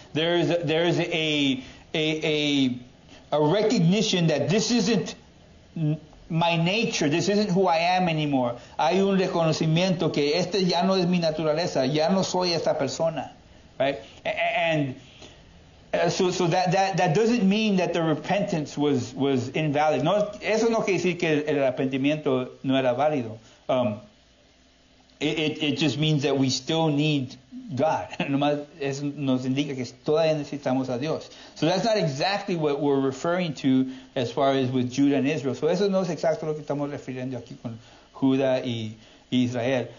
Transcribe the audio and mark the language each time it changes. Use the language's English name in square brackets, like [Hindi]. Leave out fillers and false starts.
[English] There's a recognition that this isn't my nature. This isn't who I am anymore. [Spanish] Hay un reconocimiento que este ya no es mi naturaleza. Ya no soy esta persona. Right? [English] And so that doesn't mean that the repentance was invalid. [Spanish] No, eso no quiere decir que el arrepentimiento no era válido. [English] It just means that we still need God. [Spanish] Nomás eso nos indica que todavía necesitamos a Dios. [English] So that's not exactly what we're referring to as far as with Judah and Israel. [Spanish] So eso no es exacto lo que estamos refiriendo aquí con Judá y Israel.